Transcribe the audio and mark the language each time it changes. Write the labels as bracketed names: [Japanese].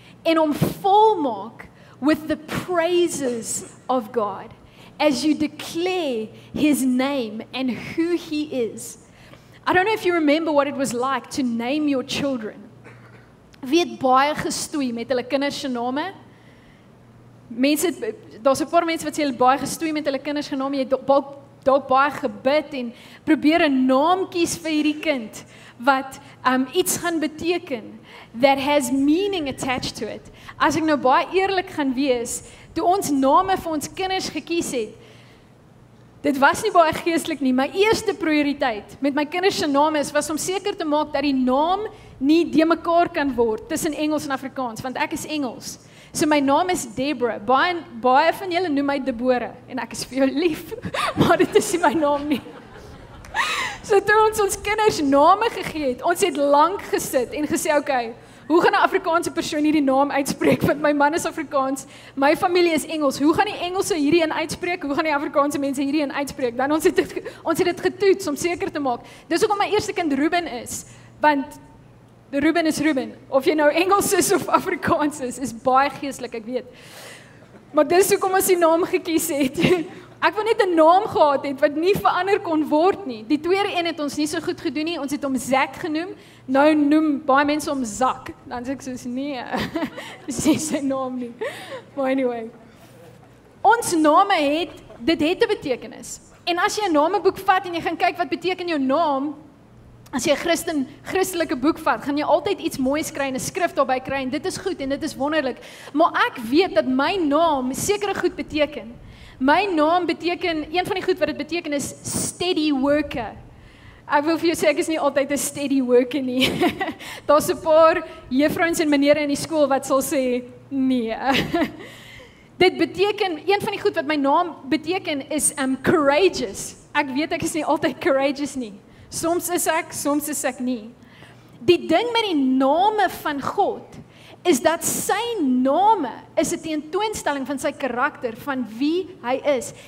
[Afrikaans] En om vol maak [English] with the praises of God. As you declare his name and who he is. I don't know if you remember what it was like to name your children. [Afrikaans] Wie het baie gestoei met hulle kinders se name? Mense, daar's 'n paar mense wat sê hulle baie gestoei met hulle kinders se name. Jy het dalk baie gebid en probeer 'n naam kies vir hierdie kind wat iets gaan beteken [English] that has meaning attached to it. [Afrikaans] As ek nou baie eerlik gaan wees, toe ons name vir ons kinders gekies het, dit was nie baie geestelik nie. My eerste prioriteit met my kinders se name is was om seker te maak dat die naam nie de mekaar kan word tussen Engels en Afrikaans, want ek is Engels. So my naam is Deborah. Baie van julle noem my Debore en ek is vir jou lief, maar dit is nie my naam nie. So toe ons kinders name gegee het, ons het lank gesit en gesê, okay, hoe gaan 'n Afrikaanse persoon hierdie naam uitspreek? Want my man is Afrikaans, my familie is Engels. Hoe gaan die Engelse hierdie een uitspreek? Hoe gaan die Afrikaanse mense hierdie een uitspreek? Dan ons het dit getoets om seker te maak. Dis hoekom my eerste kind Ruben is, want Ruben is Ruben. Of jy nou Engels is of Afrikaans is baie geestelik, ek weet. Maar dis hoekom ons die naam gekies het. Ek wou net 'n naam gehad het wat nie verander kon word nie. Die tweede een het ons nie so goed gedoen nie. Ons het hom Zack genoem. Nou noem baie mense hom Zack. Dan sê ek soos nee. Dis nie sy naam nie. [English] But anyway. [Afrikaans] Ons name het, dit het 'n betekenis. En as jy 'n nameboek vat en jy gaan kyk wat beteken jou naam, as jy 'n Christelike boek vat, gaan jy altyd iets moois kry en 'n skrif daarby kry en dit is goed en dit is wonderlik. Maar ek weet dat my naam sekere goed beteken. My naam beteken, een van die goed wat dit beteken is steady worker. Ek wil vir jou sê, ek is nie altyd 'n steady worker nie. Daar's 'n paar juffrouens en menere in die skool wat sal sê, nee. Dit beteken, een van die goed wat my naam beteken is courageous. Ek weet ek is nie altyd courageous nie. Soms is ek, soms is ek nie. Die ding met die name van God is dat sy name is 'n teentoonstelling van sy karakter, van wie hy is.